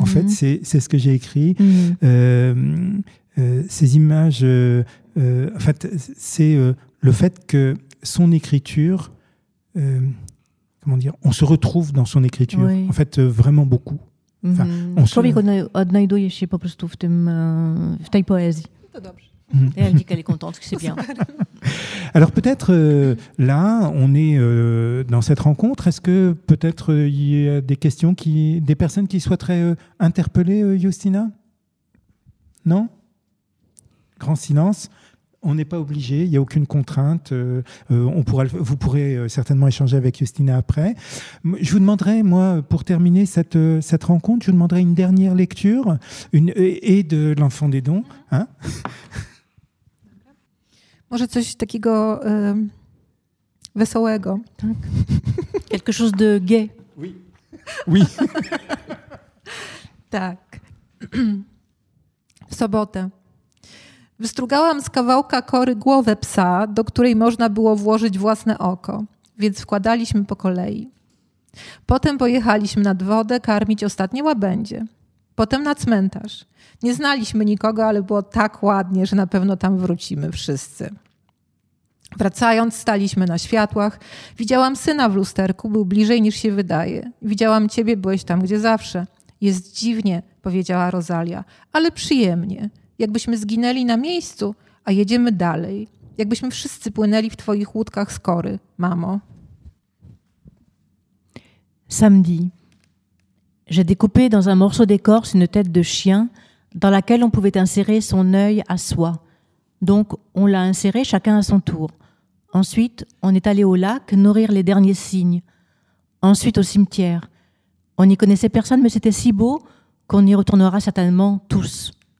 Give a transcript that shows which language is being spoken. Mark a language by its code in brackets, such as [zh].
[fr] En fait, c'est ce que j'ai écrit. Mm-hmm. Ces images, en fait, c'est le fait que son écriture, comment dire, on se retrouve dans son écriture, oui. En fait, vraiment beaucoup. [pl] Człowiek odnajduje się po prostu w tej poésie. [fr] Et elle dit qu'elle est contente, que c'est bien. Alors peut-être, là, on est dans cette rencontre. Est-ce que peut-être il y a des questions, des personnes qui souhaiteraient interpeller Justyna? Non? Grand silence. On n'est pas obligé, il n'y a aucune contrainte. Vous pourrez certainement échanger avec Justyna après. Je vous demanderai, moi, pour terminer cette rencontre, je vous demanderai une dernière lecture et de l'Enfant des dons. Hein? [pl] Może coś takiego wesołego. [fr] Tak. Quelque chose de gay. Oui. Oui. [pl] Tak. W sobotę. Wystrugałam z kawałka kory głowę psa, do której można było włożyć własne oko, więc wkładaliśmy po kolei. Potem pojechaliśmy nad wodę karmić ostatnie łabędzie. Potem na cmentarz. Nie znaliśmy nikogo, ale było tak ładnie, że na pewno tam wrócimy wszyscy. Wracając, staliśmy na światłach. Widziałam syna w lusterku, był bliżej niż się wydaje. Widziałam ciebie, byłeś tam, gdzie zawsze. Jest dziwnie, powiedziała Rosalia, ale przyjemnie. Jakbyśmy zginęli na miejscu, a jedziemy dalej. Jakbyśmy wszyscy płynęli w twoich łódkach z kory, mamo. [fr] Samedi. J'ai découpé dans un morceau d'écorce une tête de chien dans laquelle on pouvait insérer son œil à soi. Donc, on l'a inséré chacun à son tour. Ensuite, on est allé au lac nourrir les derniers cygnes. Ensuite, au cimetière. On n'y connaissait personne, mais c'était si beau qu'on y retournera certainement tous.